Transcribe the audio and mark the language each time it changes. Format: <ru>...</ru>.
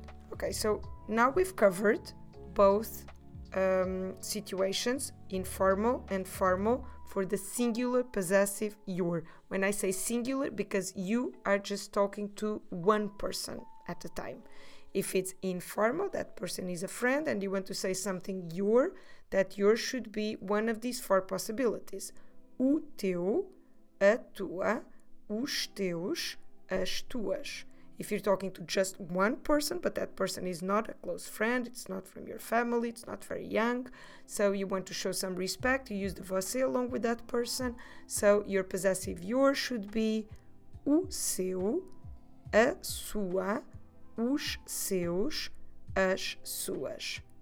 <en>Okay, so now we've covered both situations, informal and formal, for the singular possessive your. When I say singular, because you are just talking to one person at a time. If it's informal, that person is a friend, and you want to say something your, that your should be one of these four possibilities.</en> <pt>O teu, a tua, os teus, as tuas.</pt> <en>If you're talking to just one person, but that person is not a close friend, it's not from your family, it's not very young, so you want to show some respect, you use the você along with that person, so your possessive your should be</en> <pt>o seu, a sua, os seus, as suas.</pt>